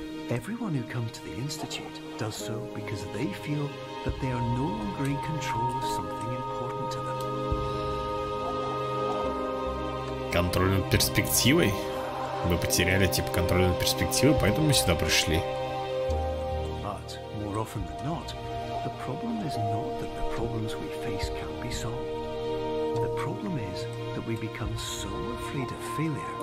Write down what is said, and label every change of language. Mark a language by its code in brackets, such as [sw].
[en] Everyone who comes to the Institute does so because they feel that they are no longer in control of something important to them. [ru] Контроль над перспективой? Мы потеряли, типа, контроль над перспективой, поэтому мы сюда пришли. [en] But, more often than not, the problem is not that the problems we face can't be solved. The problem is that we become so afraid of failure.